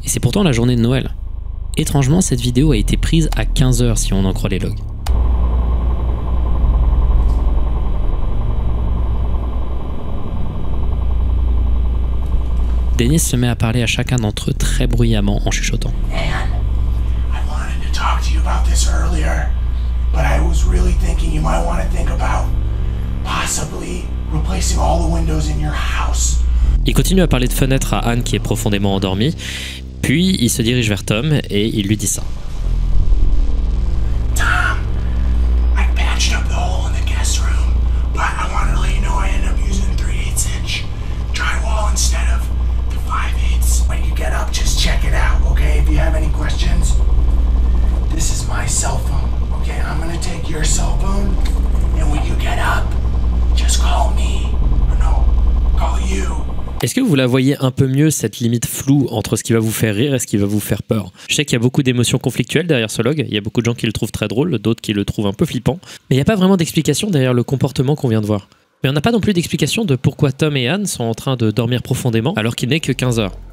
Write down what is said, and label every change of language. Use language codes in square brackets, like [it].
[fr] Et c'est pourtant la journée de Noël. Étrangement, cette vidéo a été prise à 15h si on en croit les logs. Dennis se met à parler à chacun d'entre eux très bruyamment en chuchotant. [en] Anne, I wanted to talk to you about this earlier, but I was really thinking you might want to think about possibly replacing all the windows in your house. [fr] Il continue à parler de fenêtres à Anne qui est profondément endormie, puis il se dirige vers Tom et il lui dit ça. [en] Tom, I patched up the hole in the guest room, but I wanted to let you know I ended up using 3/8 inch drywall instead of 5/8. When you get up, just check it out, okay? If you have any questions, this is my cell phone, okay? I'm gonna take your cell phone, and when you get up, just call me. Or no, call you. [fr] Est-ce que vous la voyez un peu mieux, cette limite floue entre ce qui va vous faire rire et ce qui va vous faire peur? Je sais qu'il y a beaucoup d'émotions conflictuelles derrière ce log, il y a beaucoup de gens qui le trouvent très drôle, d'autres qui le trouvent un peu flippant, mais il n'y a pas vraiment d'explication derrière le comportement qu'on vient de voir. Mais on n'a pas non plus d'explication de pourquoi Tom et Anne sont en train de dormir profondément alors qu'il n'est que 15h.